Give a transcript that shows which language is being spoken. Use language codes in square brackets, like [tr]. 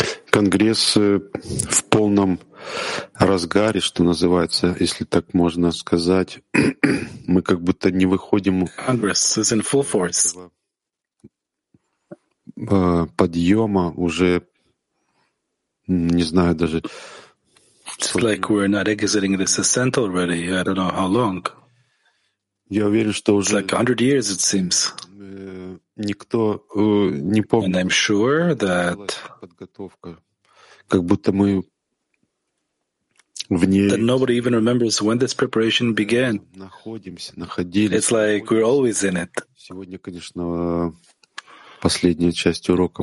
[ru] Конгресс в полном разгаре, что называется, если так можно сказать. Мы как будто не выходим из подъема уже, не знаю даже. [en] It's like we're not exiting this ascent already. I don't know how long. [ru] Я уверен, что уже... [en] It's like 100 years, it seems. [ru] Никто не помнит. [en] And I'm sure that... [ru] Подготовка. Как будто мы в ней... [en] That nobody even remembers when this preparation began. [ru] Находимся, находились. [en] It's like we're always in it. [ru] Сегодня, конечно, последняя часть урока